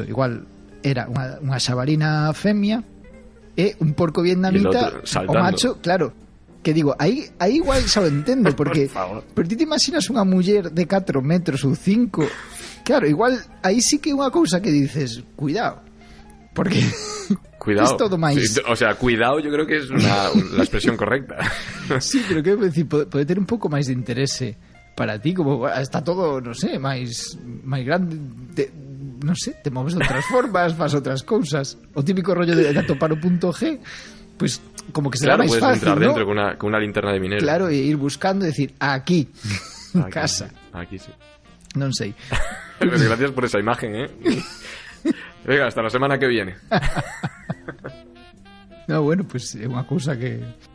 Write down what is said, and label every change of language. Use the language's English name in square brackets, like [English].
[Galician] Igual era unha xabarina femia e un porco vietnamita, o macho, claro. Que digo, aí igual xa o entendo, porque... Pero ti te imaginas unha muller de 4 metros ou 5? Claro, igual, aí sí que é unha cousa que dices, cuidado, porque... Cuidado. [Spanish] Es todo maíz. Sí, o sea, cuidado, yo creo que es la expresión correcta. Sí, pero quiero decir, puede tener un poco más de interés... [Galician] Para ti, como está todo, [Spanish] no sé, [Galician] máis grande, te moves de outras formas, faz outras cousas. O típico rollo de atopar o punto G, pues [Spanish] como que será, claro, más fácil, puedes entrar, ¿no?, dentro con una linterna de minero. Claro, e ir buscando y decir, aquí, en casa. Aquí sí. No sé. Pues gracias por esa imagen, ¿eh? Venga, hasta la semana que viene. No, bueno, pues es una cosa que...